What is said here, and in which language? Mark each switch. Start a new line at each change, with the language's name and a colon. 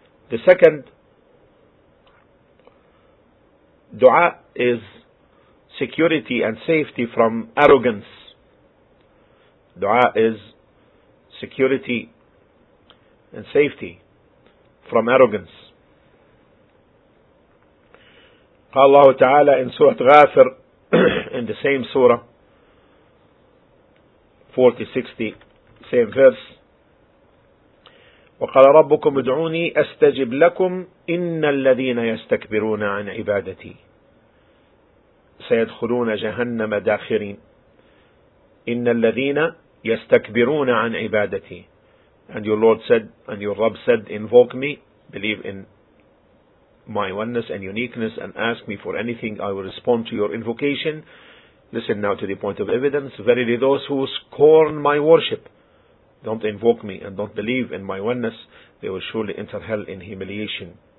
English: The second, dua is security and safety from arrogance. Dua is security and safety from arrogance.
Arabic: قال الله تعالى
English: in Surah Ghafir, in the same surah, 40-60, same verse,
Arabic: وقال ربكم ادعوني استجب لكم ان الذين يستكبرون عن عبادتي سيدخلون جهنم داخرين ان الذين يستكبرون عن عبادتي.
English: And your Lord said, and your Rabb said, invoke me, believe in my oneness and uniqueness, and ask me for anything, I will respond to your invocation. Listen now to the point of evidence. Verily those who scorn my worship, don't invoke me and don't believe in my oneness, they will surely enter hell in humiliation.